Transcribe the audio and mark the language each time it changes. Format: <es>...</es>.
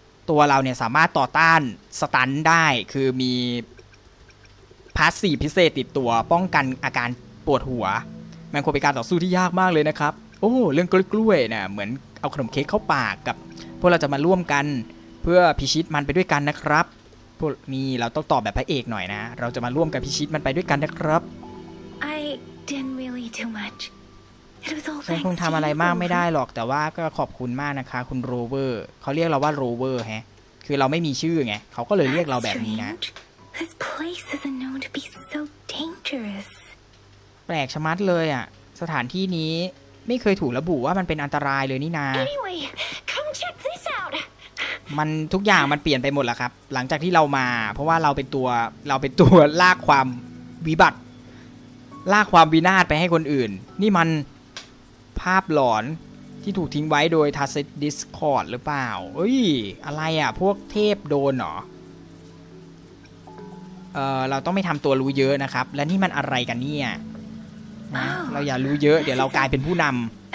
<th>ตัวเราเนี่ยสามารถต่อต้านสตันได้คือมีพาสซีฟพิเศษติดตัวป้องกันอาการปวดหัวแม่งควรเป็นการต่อสู้ที่ยากมากเลยนะครับโอ้เรื่องกล้วยๆเนี่ยเหมือนเอาขนมเค้กเข้าปากกับพวกเราจะมาร่วมกันเพื่อพิชิตมันไปด้วยกันนะครับพวกนี่เราต้องตอบแบบพระเอกหน่อยนะเราจะมาร่วมกันพิชิตมันไปด้วยกันนะครับ</th> <en>I didn't really do much it was all thanks</en> <th>คงทำอะไรมากไม่ได้หรอกแต่ว่าก็ขอบคุณมากนะคะคุณโรเวอร์เขาเรียกเราว่าโรเวอร์ฮะคือเราไม่มีชื่อไงเขาก็เลยเรียกเราแบบนี้นะ</th> <en>This place is known to be so dangerous</en> <th>แปลกชะมัดเลยอ่ะสถานที่นี้ไม่เคยถูกระบุว่ามันเป็นอันตรายเลยนี่นา</th> <en>Anyway come check this out</en> <th>มันทุกอย่างมันเปลี่ยนไปหมดแล้วครับหลังจากที่เรามาเพราะว่าเราเป็นตัวลากความวิบัติลากความวินาศไปให้คนอื่นนี่มันภาพหลอนที่ถูกทิ้งไว้โดยทัสซิต Discord หรือเปล่าเอ้ยอะไรอ่ะพวกเทพโดนหรอเราต้องไม่ทำตัวรู้เยอะนะครับและนี่มันอะไรกันเนี่ยนะ เราอย่ารู้เยอะ เดี๋ยวเรากลายเป็นผู้นำ</th>